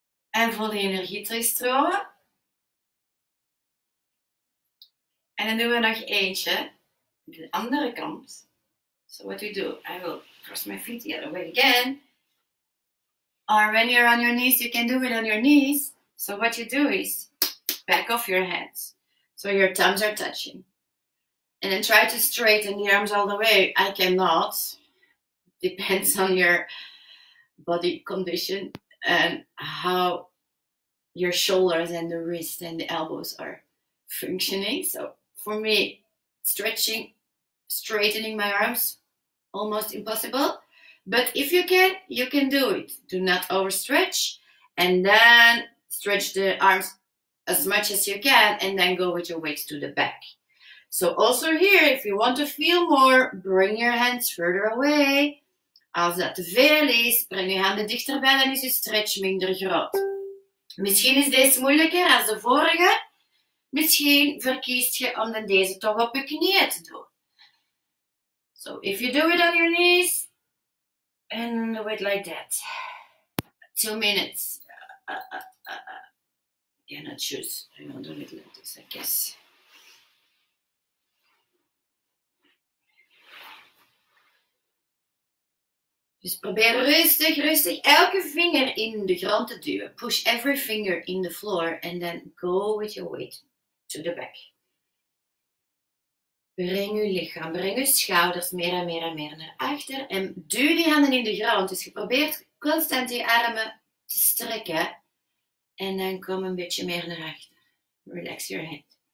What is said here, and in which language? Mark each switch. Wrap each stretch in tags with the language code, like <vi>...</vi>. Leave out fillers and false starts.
<nl>En voel de energie terugstromen. En dan doen we nog eentje. De andere kant.</nl> <en>So what we do, I will cross my feet the other way again. Or when you're on your knees, you can do it on your knees. So what you do is back off your hands. So your thumbs are touching. And then try to straighten the arms all the way. I cannot. Depends on your body condition and how your shoulders and the wrist and the elbows are functioning. So for me, stretching, straightening my arms, almost impossible. But if you can, you can do it. Do not overstretch. And then stretch the arms as much as you can and then go with your weight to the back. So also here, if you want to feel more, bring your hands further away.</en> <nl>Als dat te veel is, breng je handen dichterbij, dan is je stretch minder groot. Misschien is deze moeilijker als de vorige. Misschien verkiest je om dan deze toch op je knieën te doen.</nl> <en>So if you do it on your knees, and do it like that. 2 minutes. Cannot choose. I will do it like this, I guess.</en> <nl>Dus probeer rustig, rustig elke vinger in de grond te duwen.</nl> <en>Push every finger in the floor and then go with your weight to the back.</en> <nl>Breng je lichaam, breng je schouders meer en meer en meer naar achter en duw die handen in de grond. Dus je probeert constant die armen te strekken en dan kom een beetje meer naar achter.</nl> <en>Relax your head.</en>